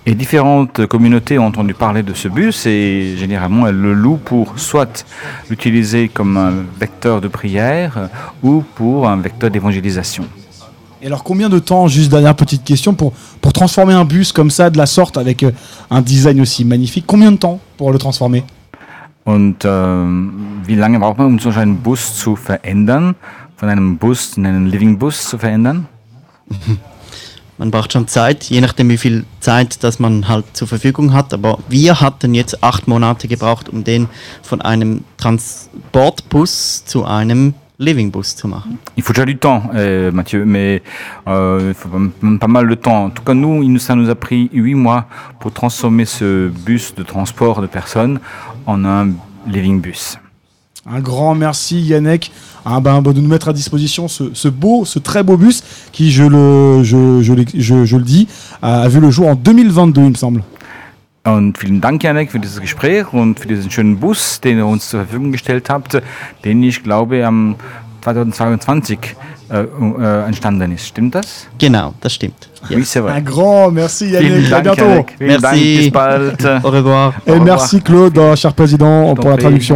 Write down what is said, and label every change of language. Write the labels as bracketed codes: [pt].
[fr] Et différentes communautés ont entendu parler de ce bus et généralement elles le louent pour soit l'utiliser comme un vecteur de prière ou pour un vecteur d'évangélisation. Et alors combien de temps, juste dernière petite question, pour transformer un bus comme ça, de la sorte, avec un design aussi magnifique, combien de temps pour le transformer? [de] Und wie lange braucht man, um so einen Bus zu verändern, von einem Bus in einen Living Bus zu verändern? Man braucht schon Zeit, je nachdem wie viel Zeit das man halt zur Verfügung hat, aber wir hatten jetzt 8 Monate gebraucht, um den von einem Transportbus zu einem Living Bus zu machen. [fr] Il faut déjà du temps, Mathieu, mais il faut pas mal de temps. En tout cas, nous, ça nous a pris 8 mois pour transformer ce bus de transport de personnes en un Living Bus. Un grand merci, Yannick, de nous mettre à disposition ce très beau bus qui, je le dis, a vu le jour en 2022, il me semble. [de] Und vielen Dank, Yannick, für dieses Gespräch und für diesen schönen Bus, den ihr uns zur Verfügung gestellt habt, den ich glaube, am 2022 entstanden ist. Stimmt das? Genau, das stimmt. [en] Yes. [fr] Oui, c'est vrai. Un grand merci, Yannick. [de] Vielen Dank, Yannick. [fr] Merci. [de] Dank, bis bald. [fr] Au revoir. Et merci, Claude, cher président, pour la traduction.